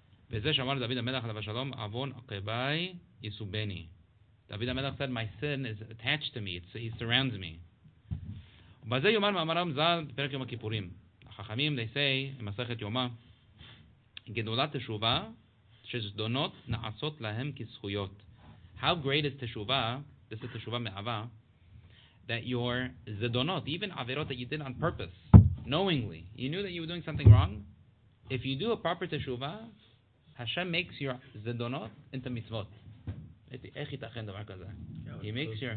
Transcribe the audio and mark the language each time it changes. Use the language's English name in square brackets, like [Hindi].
[Hebrew] וזה שאמר דוד המלך עליו השלום, אבון עקבי יסובני. [English] דוד המלך said, my sin is attached to me, he surrounds me. [Hebrew] ובזה יומן מאמרם זל בפרק יום הכיפורים. החכמים, [English] they say, [Hebrew] עם מסכת יומה, גדולת תשובה שזדונות נעשות להם כזכויות. [English] How great is תשובה, this is תשובה מאהבה, that your זדונות, even עבירות that you did on purpose, knowingly, you knew that you were doing something wrong, if you do a proper תשובה, Hashem makes your zedonot into mitzvot. Yeah, he makes your